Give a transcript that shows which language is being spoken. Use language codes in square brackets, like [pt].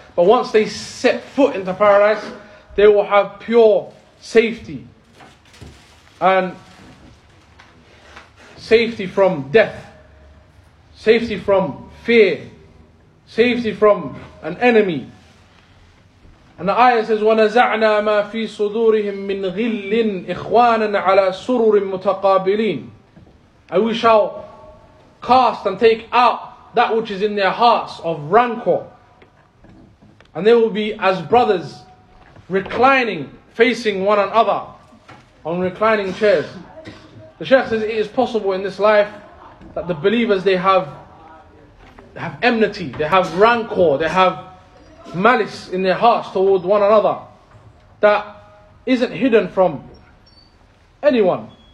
[en] But once they set foot into paradise, they will have pure safety and safety from death, safety from fear, safety from an enemy. [ar] And the ayah says, وَنَزَعْنَا مَا فِي صُدُورِهِمْ مِنْ غِلٍّ إِخْوَانًا عَلَى سُرُرٍ مُتَقَابِلِينَ. [en] And we shall cast and take out that which is in their hearts of rancor, and they will be as brothers, reclining, facing one another on reclining chairs. The Shaykh says it is possible in this life that the believers, they have enmity, they have rancor, they have malice in their hearts toward one another that isn't hidden from anyone.